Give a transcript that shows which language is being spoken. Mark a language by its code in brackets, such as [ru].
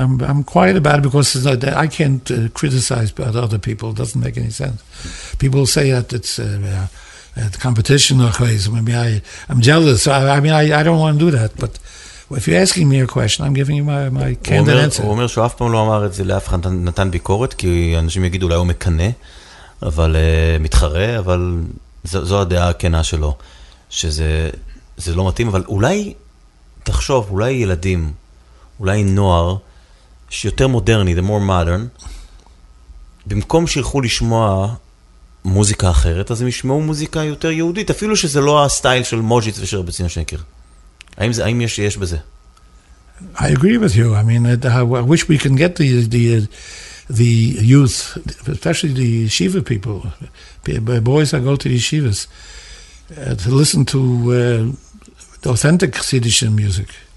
[en] I'm quiet about it because it's not, I can't criticize about other people, it doesn't make any sense. People say that it's... the competition or crazy, maybe I'm jealous. I mean I don't want to do that, but if you're asking me a question, I'm giving you my candid answer. [he] הוא אומר שהוא אף פעם לא אמר את זה לאף אחד, נתן ביקורת, כי אנשים יגידו אולי הוא מקנה, אבל מתחרה, אבל זו הדעה הכנה שלו, שזה לא מתאים, אבל אולי תחשוב, אולי ילדים, אולי נוער, שיותר מודרני, [en] the more modern, [he] במקום שילכו לשמוע מוזיקה אחרת, אז הם ישמעו מוזיקה יותר יהודית, אפילו שזה לא הסטייל של מוז'יץ ושל רבי ציון שנקר. האם יש בזה? [en] I agree with you. I mean, I wish we can get the youth, especially the yeshiva people, boys that go to the yeshivas, to listen to the authentic Chassidish music.